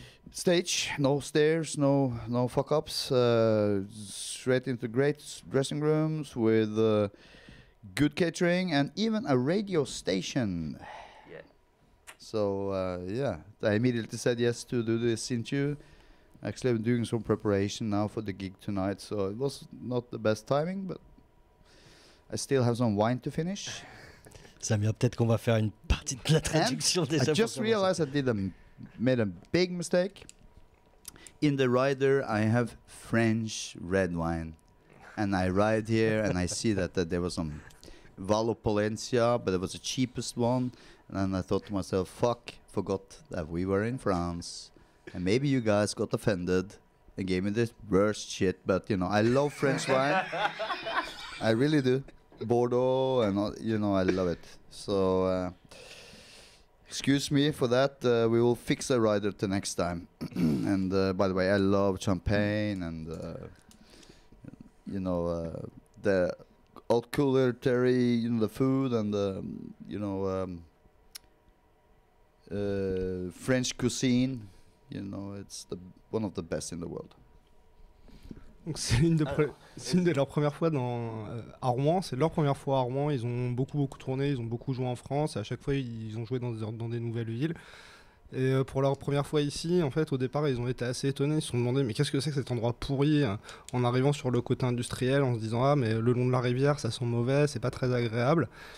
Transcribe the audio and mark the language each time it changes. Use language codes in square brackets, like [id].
[en] stage, no stairs, no fuck ups, straight into great dressing rooms with good catering and even a radio station. Yeah. So I immediately said yes to do this interview. Actually, I'm doing some preparation now for the gig tonight, so it was not the best timing, but I still have some wine to finish. [fr] Samia, peut-être qu'on va faire une partie de la traduction des. [en] I just realized I made a big mistake. In the rider, I have French red wine. And I ride here and I see that there was some Valpolicella, but it was the cheapest one. And then I thought to myself, fuck, forgot that we were in France. And maybe you guys got offended and gave me this worst shit. But, you know, I love French wine. I really do. Bordeaux and, all, you know, I love it. So, excuse me for that. We will fix the rider to next time. And by the way, I love champagne and... the old culinary, you know, the food and the, French cuisine, you know, it's the one of the best in the world. [fr] Donc c'est une de leurs premières fois à Rouen. C'est leur première fois à Rouen. Ils ont beaucoup tourné, ils ont beaucoup joué en France. Et à chaque fois, ils ont joué dans des nouvelles villes. Et pour leur première fois ici, en fait, au départ, ils ont été assez étonnés. Ils se sont demandé, mais qu'est-ce que c'est que cet endroit pourri, en arrivant sur le côté industriel, en se disant, ah, mais le long de la rivière, ça sent mauvais, c'est pas très agréable.